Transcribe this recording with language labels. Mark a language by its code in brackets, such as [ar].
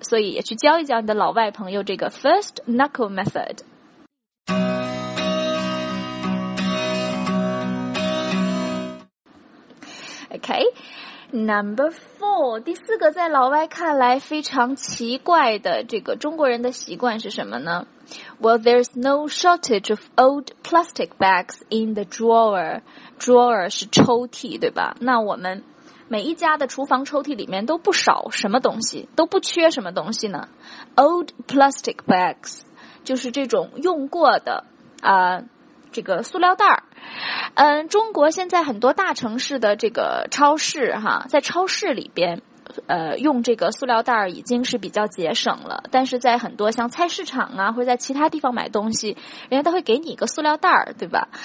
[zh] 所以也去教一教你的老外朋友这个 first knuckle method。 [en] OK，Number four， [zh] 第四个在老外看来非常奇怪的这个中国人的习惯是什么呢？ [en] Well, there's no shortage of old plastic bags in the drawer. [zh] Drawer 是抽屉，对吧？那我们每一家的厨房抽屉里面都不少什么东西，都不缺什么东西呢？ Old plastic bags 就是这种用过的这个塑料袋儿。中国现在很多大城市的这个超市哈，在超市里边用这个塑料袋儿已经是比较节省了，但是在很多像菜市场啊或者在其他地方买东西，人家都会给你一个塑料袋儿，对吧？